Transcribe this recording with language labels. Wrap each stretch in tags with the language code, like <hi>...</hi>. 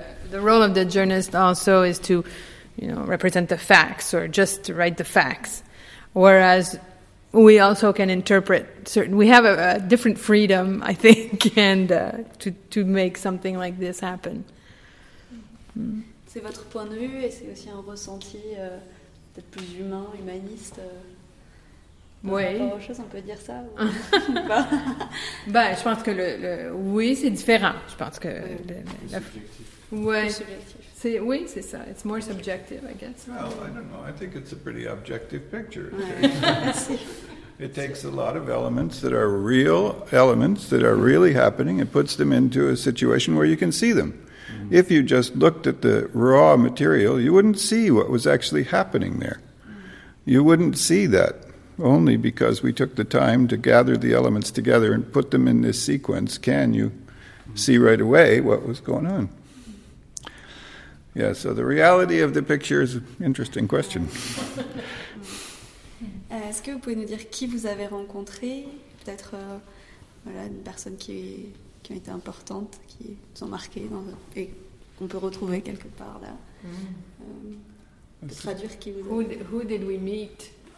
<en>The role of the journalist also is to, represent the facts or just to write the facts. Whereas we also can interpret certain... We have a different freedom, I think, and to make something like this happen.</en> <fr>C'est votre point de vue et c'est aussi un ressenti peut-être plus humain, humaniste. Oui. Par rapport aux choses, on peut dire ça ou pas? Ben, je pense que oui, c'est différent. Je pense que... Oui, c'est ça.</fr> <en>It's more subjective, I guess. Well, I don't know. I think it's a pretty objective picture. It takes a lot of elements that are real elements that are really happening and puts them into a situation where you can see them. Mm-hmm. If you just looked at the raw material, you wouldn't see what was actually happening there. You wouldn't see that. Only because we took the time to gather the elements together and put them in this sequence can you see right away what was going on. Yeah, so the reality of the picture is an interesting question.</en> <fr>Est-ce que vous pouvez nous dire qui vous avez rencontré? Peut-être une personne qui a été importante, qui vous a marqué et qu'on peut retrouver quelque part là. Traduire qui vous a...</fr> <en>Who did we meet?</en>